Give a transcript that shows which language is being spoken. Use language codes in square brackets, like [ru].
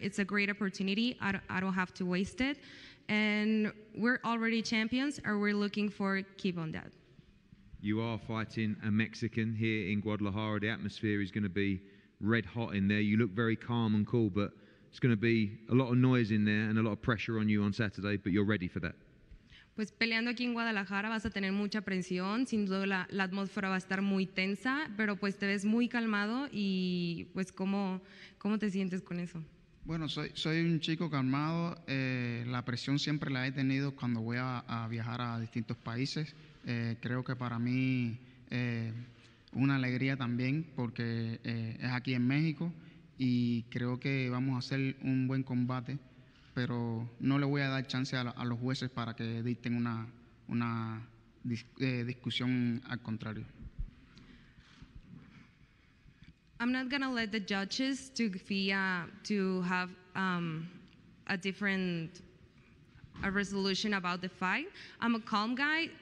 [en] It's a great opportunity. I don't have to waste it. And we're already champions, and we're looking for keep on that. You are fighting a Mexican here in Guadalajara. The atmosphere is going to be red hot in there. You look very calm and cool, but it's going to be a lot of noise in there and a lot of pressure on you on Saturday, but you're ready for that. [es] Pues peleando aquí en Guadalajara vas a tener mucha presión, sin duda la atmósfera va a estar muy tensa, pero pues te ves muy calmado y pues ¿cómo te sientes con eso? Bueno, soy un chico calmado, la presión siempre la he tenido cuando voy a viajar a distintos países. Creo que para mí una alegría también porque es aquí en México. Y creo que vamos a hacer un buen combate, pero no le voy a dar chance a los jueces para que dicten una discusión al contrario. [en] I'm not going to let the judges to have a different a resolution about the fight. I'm a calm guy.